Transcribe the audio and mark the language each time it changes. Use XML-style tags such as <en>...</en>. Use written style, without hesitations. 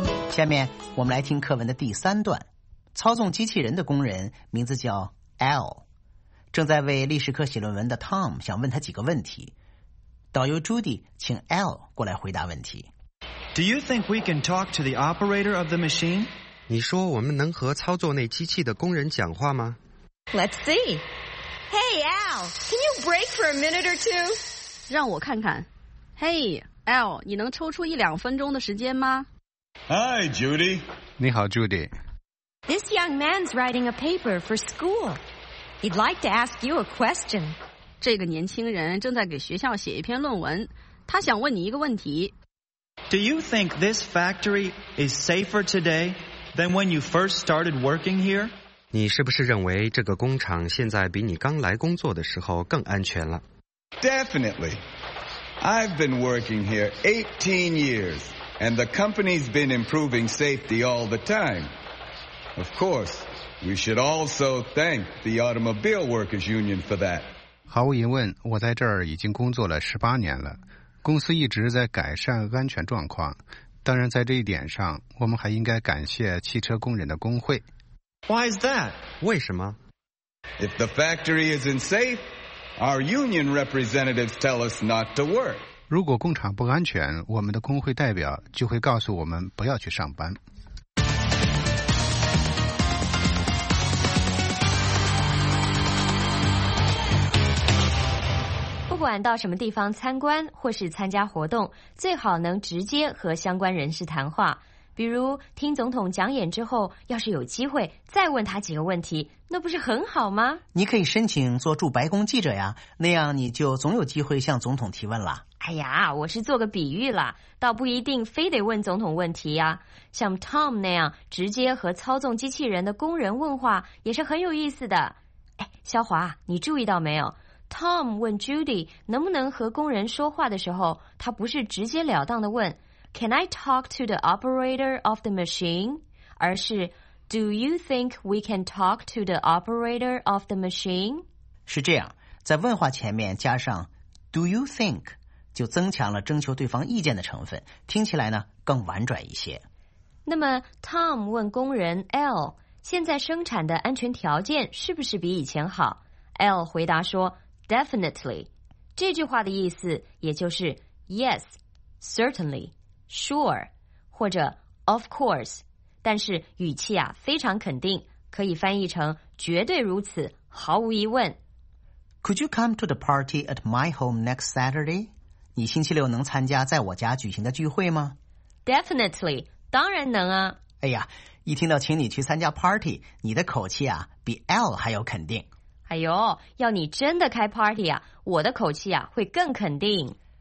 <zh>下面我们来听课文的第三段。操纵机器人的工人名字叫 L。正在为历史课写论文的 Tom 想问他几个问题，导游 Judy 请 L 过来回答问题。</zh> <en>Do you think we can talk to the operator of the machine?</en> <zh>你说我们能和操作那机器的工人讲话吗？</zh> <en>Let's see. Hey L, can you break for a minute or two?</en> <zh>让我看看。</zh> <en>Hey</en> <zh>L, 你能抽出一两分钟的时间吗？</zh> <en>Hi Judy.</en> <zh>你好 Judy.</zh> <en>This young man's writing a paper for school. He'd like to ask you a question.</en> <zh>这个年轻人正在给学校写一篇论文，他想问你一个问题。</zh> <en>Do you think this factory is safer today than when you first started working here?</en> <zh>你是不是认为这个工厂现在比你刚来工作的时候更安全了？</zh> <en>Definitely. I've been working here 18 years, and the company's been improving safety all the time. Of course. We should also thank the Automobile Workers Union for that.</en> <zh>毫无疑问，我在这儿已经工作了18年了，公司一直在改善安全状况。当然，在这一点上，我们还应该感谢汽车工人的工会。</zh> <en>Why is that?</en> <zh>为什么？</zh> <en>If the factory isn't safe, our union representatives tell us not to work.</en> <zh>如果工厂不安全，我们的工会代表就会告诉我们不要去上班。不管到什么地方参观或是参加活动，最好能直接和相关人士谈话。比如听总统讲演之后，要是有机会再问他几个问题，那不是很好吗？你可以申请做驻白宫记者呀，那样你就总有机会向总统提问了。哎呀，我是做个比喻了，倒不一定非得问总统问题呀。像 Tom 那样直接和操纵机器人的工人问话也是很有意思的。哎，肖华，你注意到没有？ Tom 问 Judy 能不能和工人说话的时候，他不是直截了当的问</zh> <en>Can I talk to the operator of the machine?</en> <zh>而是</zh> <en>Do you think we can talk to the operator of the machine?</en> <zh>是这样，在问话前面加上</zh> <en>Do you think</en> <zh>就增强了征求对方意见的成分，听起来呢更婉转一些。那么 Tom 问工人 L 现在生产的安全条件是不是比以前好？ L 回答说Definitely. 这句话的意思也就是</zh> <en>Yes, certainly, sure,</en> <zh>或者</zh> <en>Of course.</en> <zh>但是语气啊非常肯定，可以翻译成绝对如此，毫无疑问。</zh> <en>Could you come to the party at my home next Saturday?</en> <zh>你星期六能参加在我家举行的聚会吗？</zh> <en>Definitely,</en> <zh>当然能啊。哎呀，一听到请你去参加 party, 你的口气啊比 L 还要肯定。哎呦，要你真的开 party 啊，我的口气啊会更肯定。</zh>